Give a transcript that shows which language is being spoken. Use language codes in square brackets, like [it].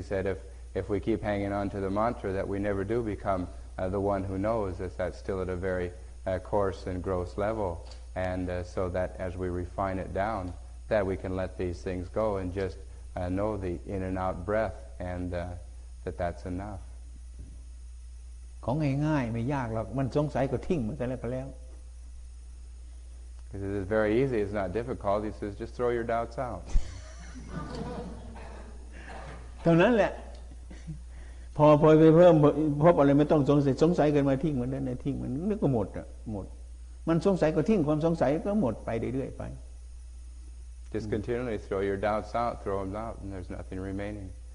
[en] He said if we keep hanging on to the mantra, that we never do become the one who knows, as that's still at a very coarse and gross level, and so that as we refine it down, that we can let these things go and just know the in and out breath, and that's enough. [th] ของง่ายๆไม่ยากหรอกมันสงสัยก็ทิ้งมันซะแล้วก็แล้ว [en] Because it is very easy, it's not difficult. He says, just throw your doubts out. [th] เท่านั้นแหละพอไปเพิ่มพบอะไรไม่ต้องสงสัยสงสัยเกินมาทิ้งมันได้ทิ้งมันนึกก็หมดอ่ะหมดมันสงสัยก็ทิ้งความสงสัยก็หมดไปเรื่อยๆไป [en] Just continually throw your doubts out, throw them out, and there's nothing remaining.